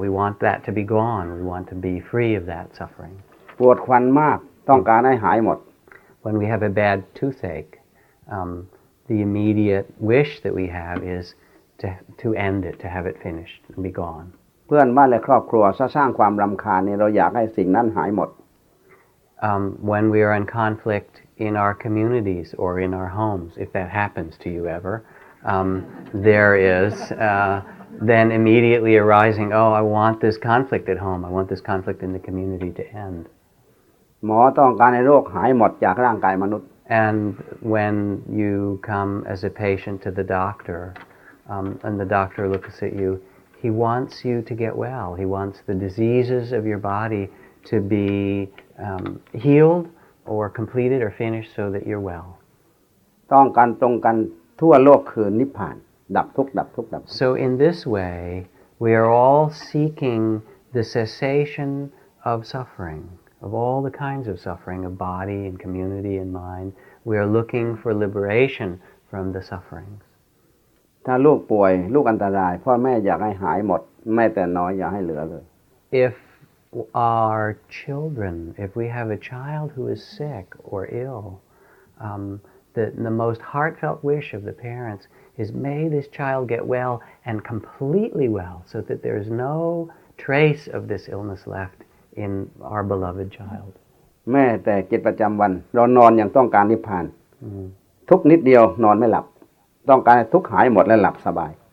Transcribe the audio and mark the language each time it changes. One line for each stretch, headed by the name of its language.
English: We want that to be gone. We want to be free of that suffering.
Thai: ปวดควันมากต้องการให้หายหมด
English: When we have a bad toothache, the immediate wish that we have is to end it, to have it finished and be gone.
Thai: เพื่อนบ้านและครอบครัวสร้างความรำคาญเนี่ยเราอยากให้สิ่งนั้นหายหมด
English: When we are in conflict in our communities or in our homes, if that happens to you ever, there is then immediately arising, oh, I want this conflict at home. I want this conflict in the community to end.
Thai: หมอต้องการให้โรคหายหมดจากร่างกายมนุษย์
English: And when you come as a patient to the doctor, and the doctor looks at you, he wants you to get well. He wants the diseases of your body to be healed or completed or finished so that you're well.
Thai: ต้องการตรงกันทั่วโลกคือนิพพานดับทุกข์ดับทุกข์ดับทุกข์
English: So in this way, we are all seeking the cessation of suffering. Of all the kinds of suffering of body and community and mind, we are looking for liberation from the sufferings.
Thai: ถ้าลูกป่วยลูกอันตรายพ่อแม่อยากให้หายหมดแม้แต่น้อยอย่าให้เหลือเลย
English: If our children, if we have a child who is sick or ill, the most heartfelt wish of the parents is may this child get well and completely well so that there is no trace of this illness left. In our beloved child.
Thai: แม้แต่กิจประจำวันเรานอนยังต้องการนิพพานทุกนิดเดียวนอนไม่หลับต้องการทุกหายหมดและหลับสบาย